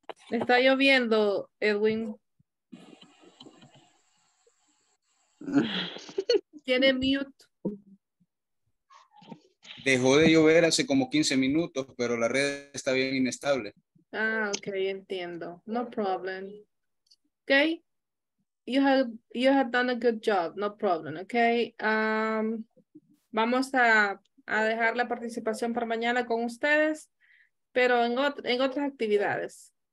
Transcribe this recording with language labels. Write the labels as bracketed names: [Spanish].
[Spanish] Está lloviendo, Edwin. Tiene mute. Dejó de llover hace como 15 minutos, pero la red está bien inestable. Ah, ok, entiendo. [English] No problem. [Spanish] Ok. [English] You have done a good job, no problem, okay? [Spanish] Vamos a dejar la participación para mañana con ustedes, pero en otras actividades.